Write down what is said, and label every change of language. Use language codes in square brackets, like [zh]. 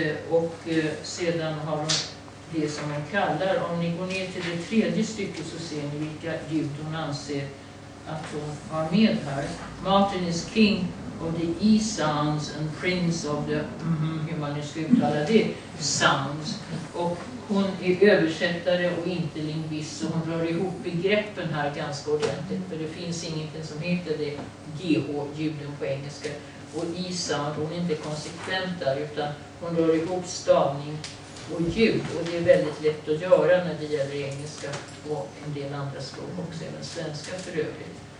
[sv] Och sedan har de det som man kallar, om ni går ner till det tredje stycket så ser ni vilka ljud hon anser att hon har med här. [en] Martin is king of the E sounds and prince of the, [sv] hur man nu ska uttala det, [en] sounds. [sv] Och hon är översättare och inte lingvist så hon rör ihop begreppen här ganska ordentligt för det finns ingenting som heter det GH-ljuden på engelska och E-sound, hon är inte konsekvent där utan hon rör ihop stavning och ljud och det är väldigt lätt att göra när det gäller engelska och en del andra språk också, även svenska för övrigt.